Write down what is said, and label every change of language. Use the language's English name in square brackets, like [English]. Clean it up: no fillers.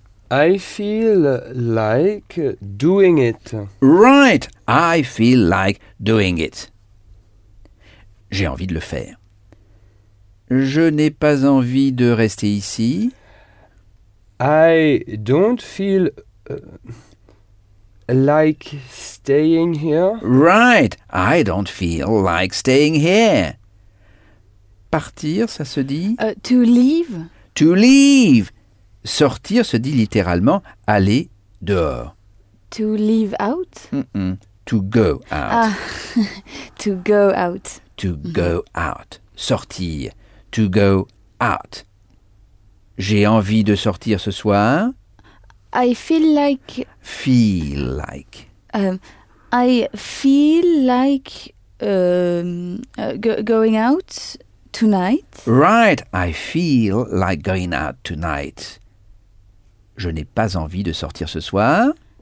[English] I feel like doing it. Right! I feel like doing it. [French] J'ai envie de le faire. Je n'ai pas envie de rester ici. [English] I don't feel like staying here. Right, I don't feel like staying here. [French] Partir, ça se dit [English] To leave. To leave. [French] Sortir se dit littéralement aller dehors. [English] To leave out. To go out. To go out. To go out. Sortir. To go out. [French] J'ai envie de sortir ce soir. [English] I feel like... Feel like. I feel like going out tonight. Right. I feel like going out tonight. [French] Je n'ai pas envie de sortir ce soir.